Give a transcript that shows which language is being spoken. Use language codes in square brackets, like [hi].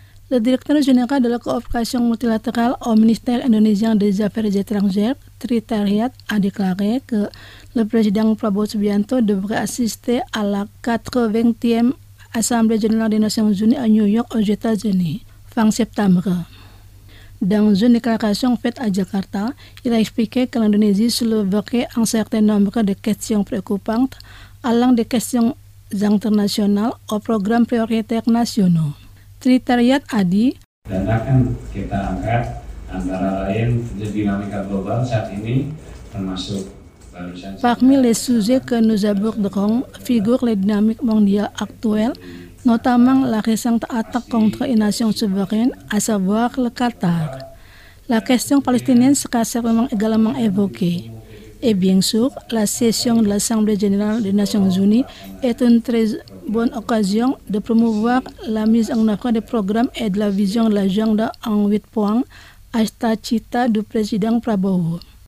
[fr] Le directeur général de la coopération multilatérale au ministère indonésien des Affaires étrangères, Tri Tariat, a déclaré que le président Prabowo Subianto devrait assister à la 80e Assemblée générale des Nations Unies à New York aux États-Unis, fin septembre. Dans une déclaration faite à Jakarta, il a expliqué que l'Indonésie soulevait un certain nombre de questions préoccupantes allant des questions internationales aux programmes prioritaires nationaux. Tri Tariat a dit [id] dan akan kita angkat antara lain dinamika global saat ini termasuk barusan [fr] parmi les sujets que nous aborderons figure les dynamiques mondiales actuelles notamment la récente attaque contre une nation souveraine à savoir le Qatar. La question palestinienne sera certainement également évoquée. Et bien sûr, la session de l'Assemblée générale des Nations Unies est une très bonne occasion de promouvoir la mise en œuvre des programmes et de la vision de l'agenda en 8 points, Astacita du président Prabowo.